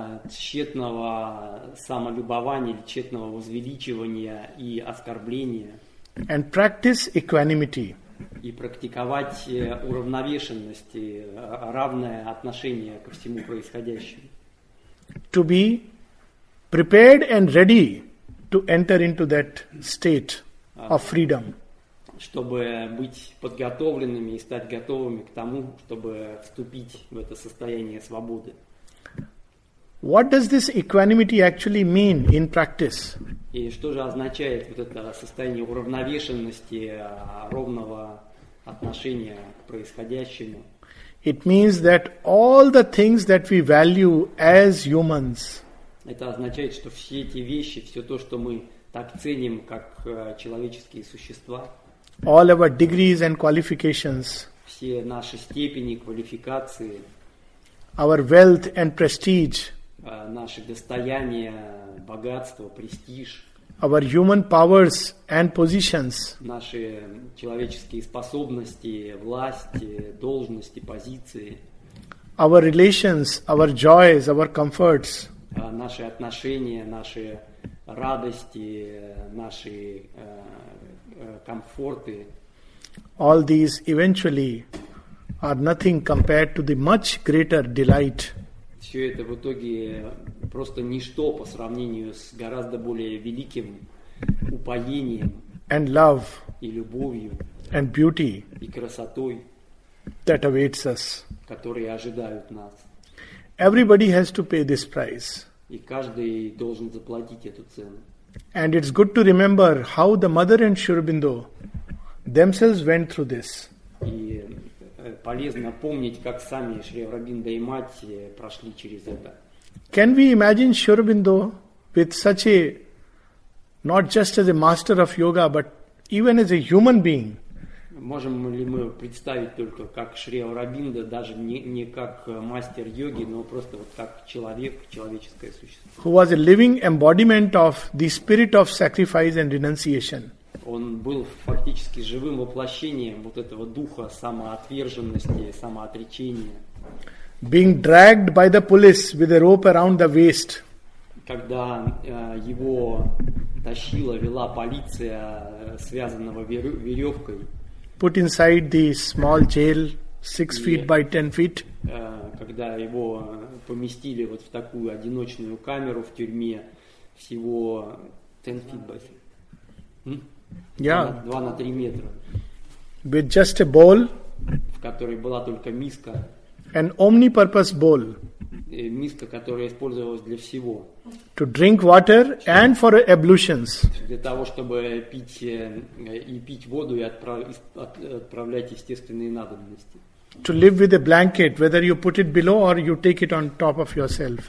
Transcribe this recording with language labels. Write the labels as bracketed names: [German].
[Russian] Тщетного самолюбования, тщетного возвеличивания и оскорбления. [English] And practice equanimity. [Russian] И практиковать уравновешенность, равное отношение ко всему происходящему. [English] To be prepared and ready to enter into that state of freedom. [Russian] Чтобы быть подготовленными и стать готовыми к тому, чтобы вступить в это состояние свободы. [English] What does this equanimity actually mean in practice? [Russian] И что же означает вот это состояние уравновешенности, ровного отношения к происходящему? [English] It means that all the things that we value as humans. [Russian] Это означает, что все эти вещи, все то, что мы так ценим как человеческие существа. [English] All our degrees and qualifications. [Russian] Все наши степени, квалификации. [English] Our wealth and prestige. [Russian] Наше достояние, богатство, престиж. [English] Our human powers and positions. [Russian] Наши человеческие способности, власть, должности, позиции. [English] Our relations, our joys, our comforts. [Russian] Наши отношения, наши радости, наши комфорты. [English] All these eventually are nothing compared to the much greater delight. [Russian] Все это в итоге просто ничто по сравнению с гораздо более великим упоением [English] and love [Russian] и любовью [English] and beauty [Russian] и красотой, [English] that awaits us. [Russian] Которые ожидают нас. [English] Everybody has to pay this price. [Russian] И каждый должен заплатить эту цену. [English] And it's good to remember how the mother and Sri Aurobindo themselves went through this. [Russian] И полезно помнить, как сами Шри Аурабиндо и мать прошли через это. [English] Can we imagine Sri Aurobindo with such a, not just as a master of yoga, but even as a human being? [Russian] Можем ли мы представить только, как Шри Аурабиндо, даже не как мастер йоги, но просто вот как человек, человеческое существо? [English] Who was a living embodiment of the spirit of sacrifice and renunciation. [Russian] Он был фактически живым воплощением вот этого духа самоотверженности, самоотречения. [English] Being dragged by the police with a rope around the waist. [Russian] Когда его тащила, вела полиция, связанного веревкой. [English] Put inside the small jail, 6 feet by 10 feet. [Russian] Когда его поместили вот в такую одиночную камеру в тюрьме, всего [English] 10 feet by 10. [Russian] Два на три метра. [English] With just a bowl. [Russian] В которой была только миска. [English] An omnipurpose bowl. [Russian] Миска, которая использовалась для всего. [English] To drink water and for ablutions. [Russian] Для того, чтобы пить воду и отправлять естественные надобности. [English] To live with a blanket, whether you put it below or you take it on top of yourself.